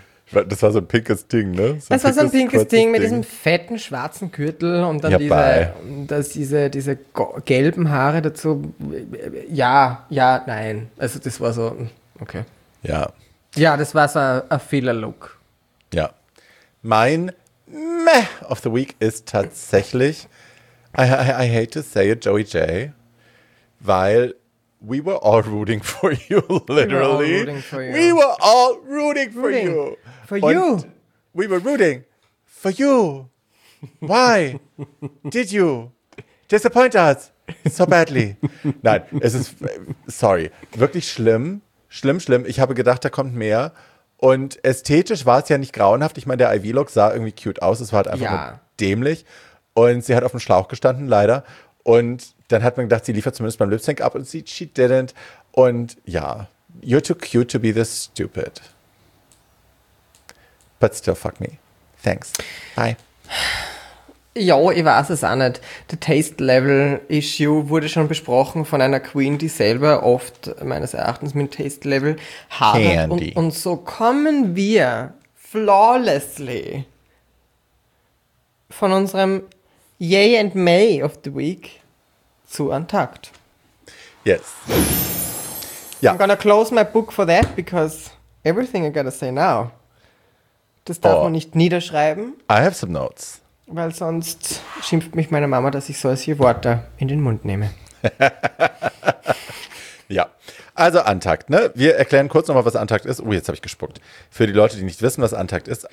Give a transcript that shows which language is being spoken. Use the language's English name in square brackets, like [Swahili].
[German] Das war so ein pinkes Ding, ne? Das war so ein pinkes Ding mit diesem fetten schwarzen Gürtel und dann diese gelben Haare dazu. Ja, nein. Also das war so, okay. Ja. Ja, das war so ein Fehler-Look. Ja. [English] Mein Meh of the Week [German] ist tatsächlich, [English] I hate to say it, Joey J, weil we were all rooting for you, literally. We were all rooting for you. We were rooting for you. Why did you disappoint us so badly? [German] Nein, es ist, sorry, wirklich schlimm. Schlimm, schlimm. Ich habe gedacht, da kommt mehr. Und ästhetisch war es ja nicht grauenhaft. Ich meine, der Ivy-Look sah irgendwie cute aus. Es war halt einfach dämlich. Und sie hat auf dem Schlauch gestanden, leider. Und dann hat man gedacht, sie liefert zumindest beim Lip-Sync ab. Und [English] she didn't. [German] Und ja, [English] you're too cute to be this stupid. But still, fuck me. Thanks. Bye. [German] Ja, ich weiß es auch nicht. The Taste-Level-Issue wurde schon besprochen von einer Queen, die selber oft meines Erachtens mit Taste-Level hadert. Und so kommen wir flawlessly von unserem Yay and May of the Week zu Untucked. [English] Yes. Yeah. I'm gonna close my book for that, because everything I gotta say now. [German] Das darf man nicht niederschreiben. [English] I have some notes. [German] Weil sonst schimpft mich meine Mama, dass ich solche Worte in den Mund nehme. Ja, also Untucked, ne? Wir erklären kurz nochmal, was Untucked ist. Oh, jetzt habe ich gespuckt. Für die Leute, die nicht wissen, was Untucked ist.